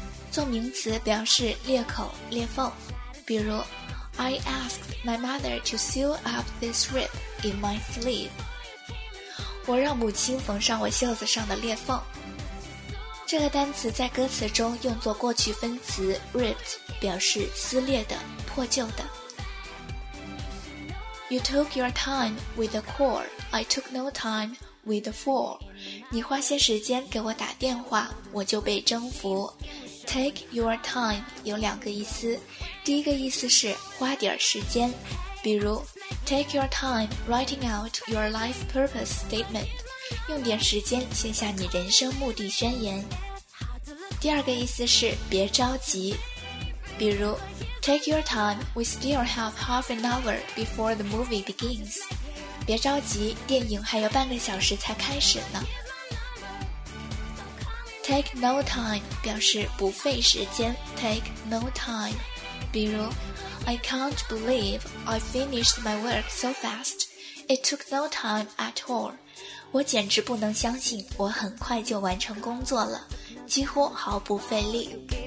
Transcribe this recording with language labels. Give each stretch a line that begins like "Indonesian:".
Chinese: 做名词表示裂口、裂缝，比如
English: I asked my mother to sew up this rip in my sleeve，
Chinese: 我让母亲缝上我袖子上的裂缝。这个单词在歌词中用作过去分词 ripped， 表示撕裂的、破旧的。
English: You took your time with the call, I took no time with the fall.
Chinese: 你花些时间给我打电话，我就被征服。
English: Take your time 有两个意思，第一个意思是花点时间，比如 Take your time writing out your life purpose statement，
Chinese: 用点时间写下你人生目的宣言。第二个意思是别着急，比如
English: Take your time, we still have half an hour before the movie begins.
Chinese: 别着急，电影还有半个小时才开始呢。 Take no time 表示不费时间， take no time. 比如
English: I can't believe I finished my work so fast. It took no time at all.
Chinese: 我简直不能相信我很快就完成工作了，几乎毫不费力。